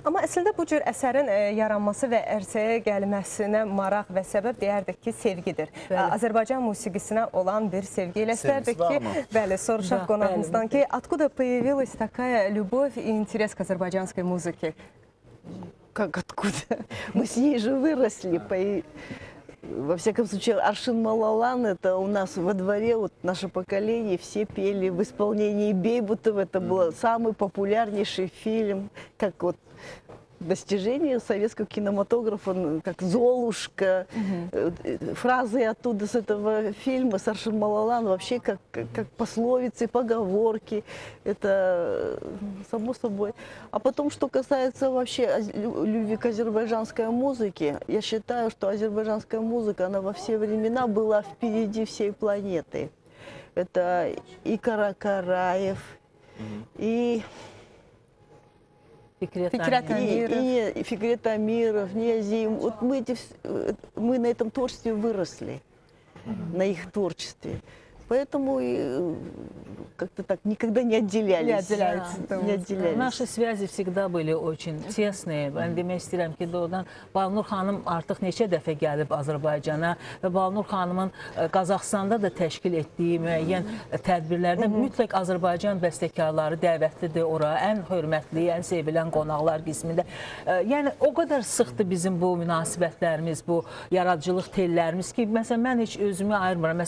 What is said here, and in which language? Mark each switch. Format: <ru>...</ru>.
<az>Amma əslində bu cür əsərin yaranması və ərsəyə gəlməsinə maraq və səbəb deyərdik ki, sevgidir. Bəli. Azərbaycan musiqisinə olan bir sevgi ilə istərdik ki, bəli, soruşaq qonağımızdan ki,</az> <ru>откуда появилась такая любовь и интерес к азербайджанской музыке? Как откуда? Мы с ней же выросли. Во всяком случае, Аршин Малалан, это у нас во дворе, вот наше поколение, все пели в исполнении Бейбутова. Это был самый популярнейший фильм, как вот достижение советского кинематографа, как «Золушка». Фразы оттуда, с этого фильма, с Аршин Малалан, вообще как пословицы, поговорки. Это само собой. А потом, что касается вообще любви к азербайджанской музыке, я считаю, что азербайджанская музыка, она во все времена была впереди всей планеты. Это и Каракараев, и... Фикрет Амиров, Ниязим. Вот мы на этом творчестве выросли, на их творчестве. Поэтому как-то так никогда не отделялись. Наши связи всегда были очень тесные.</ru> <tr>Ben demek istiyorum ki</tr> <az>doğrudan Balnur xanım artık neçə dəfə gəlib Azərbaycana və Balnur xanımın Qazaxıstanda da təşkil etdiyi müəyyən tədbirlərdə mütləq Azərbaycan bəstəkarları dəvətlidir ora. Ən hörmətli, ən sevilən qonaqlar qismində. Yəni o qədər sıxdı bizim bu münasibətlərimiz, bu yaradıcılıq tellərimiz ki, məsələn mən heç özümü ayırmıram.</az>